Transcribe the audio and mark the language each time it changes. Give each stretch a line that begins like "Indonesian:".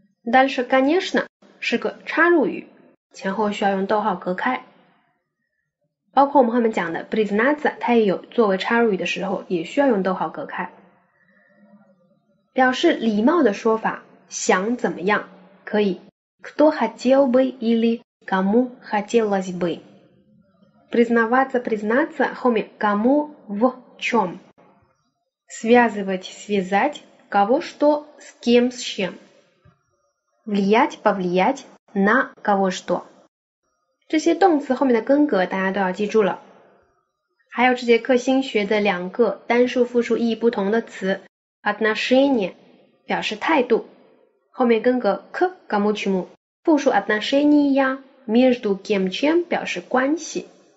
Chinese: 但是 конечно 是个插入语，前后需要用逗号隔开。包括我们后面讲的 признаться 它也有作为插入语的时候，也需要用逗号隔开。表示礼貌的说法，想怎么样可以
Russian: кто хотел бы или Кому хотелось бы? Признаваться, признаться, хоми, кому в чем? Связывать, связать, кого что, с кем, с чем? Влиять, повлиять на кого что?
Chinese: 这些动词后面的根格大家都要记住了。还有这节课新学的两个单数复数意义不同的词 отношения, 表示态度, 后面根格
Russian: к кому чему,
Chinese: 复数 отношения,
Russian: между кем-чем
Chinese: 表示关系.